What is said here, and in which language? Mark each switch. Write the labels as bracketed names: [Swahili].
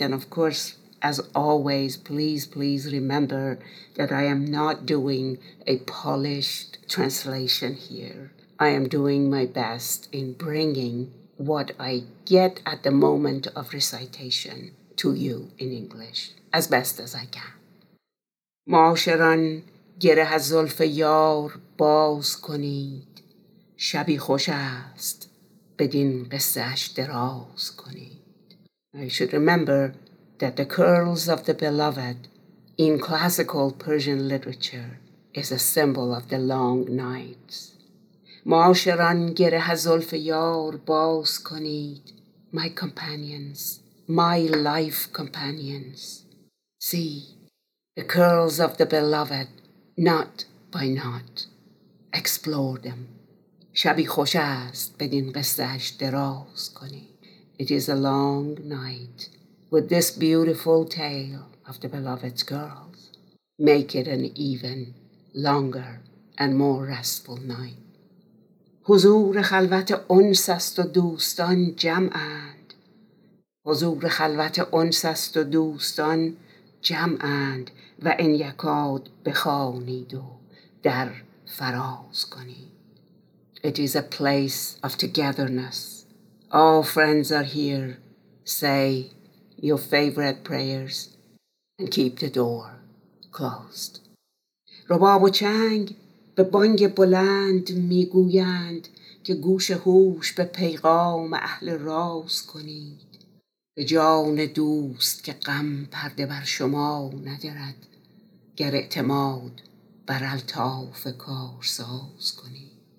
[English] And of course, as always, please, please remember that I am not doing a polished translation here. I am doing my best in bringing what I get at the moment of recitation to you in English, as best as I can. [Persian] معاشران گره از زلف یار باز کنید شبی خوش است بدین قصه اش دراز کنید. [English] I should remember that the curls of the beloved in classical Persian literature is a symbol of the long nights. [Persian] معاشران گره از زلف یار باز کنید. [English] My companions, my life companions, see the curls of the beloved, knot by knot, explore them. [Persian] شبی خوش است بدین قصه‌اش دراز کنی. [English] It is a long night with this beautiful tale of the beloved's girls. Make it an even longer and more restful night. [Persian] حضور خلوت انس است و دوستان جمعند. حضور خلوت انس است و دوستان جمعند و این یکاد بخوانید و در فراز کنید. [English] It is a place of togetherness. All friends are here. Say your favorite prayers and keep the door closed. [Persian] رباب و چنگ به بانگ بلند میگویند که گوش هوش به پیغام اهل راز کنید. به جان دوست که غم پرده بر شما ندرد گر اعتماد بر الطاف کارساز کنید.